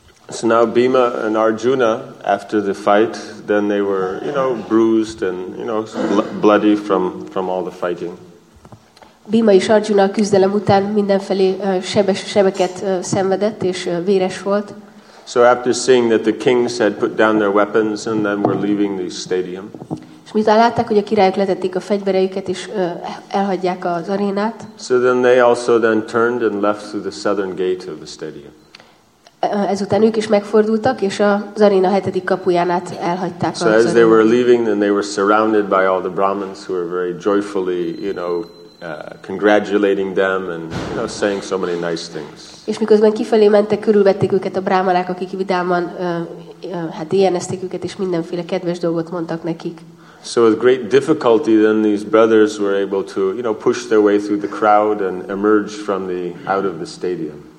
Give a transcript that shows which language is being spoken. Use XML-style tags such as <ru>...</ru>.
<en>So now Bhima and Arjuna, after the fight, then they were, you know, bruised and, you know, bloody from all the fighting.</en> <hu>Bhima és Arjuna a küzdelem után mindenfelé sebeket szenvedett és véres volt.</hu> <en>So after seeing that the kings had put down their weapons and then were leaving the stadium.</en> <hu>És miután látták, hogy a királyok letették a fegyvereiket és elhagyják az arénát.</hu> <en>So then they also then turned and left through the southern gate of the stadium.</en> <hu>Ezután ők is megfordultak, és az aréna hetedik kapuján át elhagyták.</hu> <en>So as they were leaving, then they were surrounded by all the Brahmins who were very joyfully, you know, congratulating them and, you know, saying so many nice things.</en> <hu>És miközben kifelé mentek, körülvették őket a brahmanák, akik vidáman hát éjjeneztek őket, és mindenféle kedves dolgot mondtak nekik.</hu> <en>So with great difficulty, then these brothers were able to, you know, push their way through the crowd and emerge from the out of the stadium.</en>